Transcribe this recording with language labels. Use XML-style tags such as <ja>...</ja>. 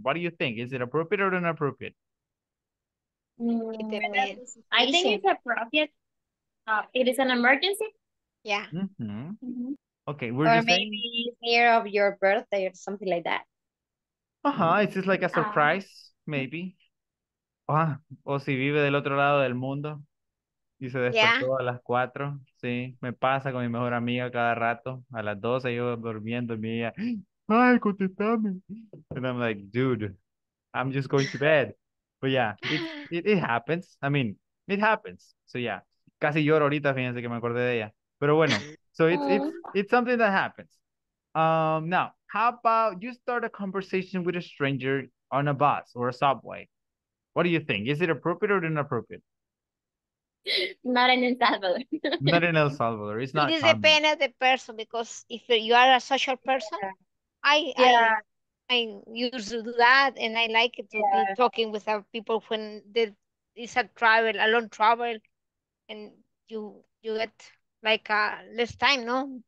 <en>What do you think? Is it appropriate or inappropriate? It depends. I think it's appropriate. It is an emergency. Yeah. Mm-hmm. Mm-hmm. Okay. We're or maybe near of your birthday or something like that. Uh-huh. Is this like a surprise? Maybe.</en> <es>O si vive del otro lado del mundo y se despertó a las 4, sí, me pasa con mi mejor amiga cada rato, a las 12 yo durmiendo y me decía, ay, contestame.</es> <en>And I'm like, dude, I'm just going to bed. But yeah, it happens. I mean, it happens. So yeah,</en> <es>casi lloro ahorita, fíjense que me acordé de ella. Pero bueno,</es> <en>so it's something that happens. Now, how about you start a conversation with a stranger on a bus or a subway? What do you think? Is it appropriate or inappropriate? Not in El Salvador. Not in El Salvador. It's not. It depends on the person, because if you are a social person, I used to do that, and I like to be talking with other people when there is a long travel, and you get like less time, no?</en>